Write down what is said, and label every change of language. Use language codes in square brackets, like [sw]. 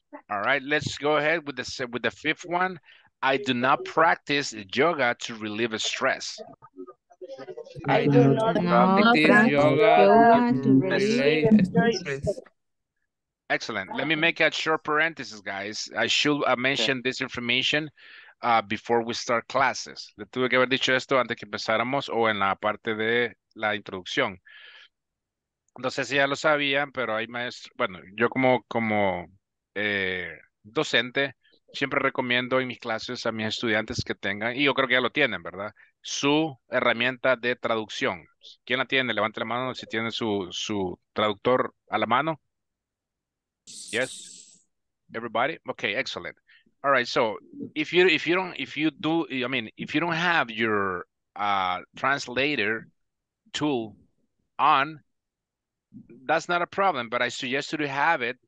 [en] All right, let's go ahead with the fifth one. I do not practice yoga to relieve stress. I do not practice yoga to relieve stress. Excellent. Let me make a short parenthesis, guys. I should mention this information before we start classes. [es] Le tuve que haber dicho esto antes que empezáramos o en la parte de la introducción. No sé si ya lo sabían, pero hay maestros. Bueno, yo como docente, siempre recomiendo en mis clases a mis estudiantes que tengan, y yo creo que ya lo tienen, ¿verdad? Su herramienta de traducción. ¿Quién la tiene? Levante la mano si tiene su traductor a la mano. [en] Yes. Everybody? Okay, excellent. All right, so if you don't have your translator tool on, that's not a problem, but I suggest you to have it.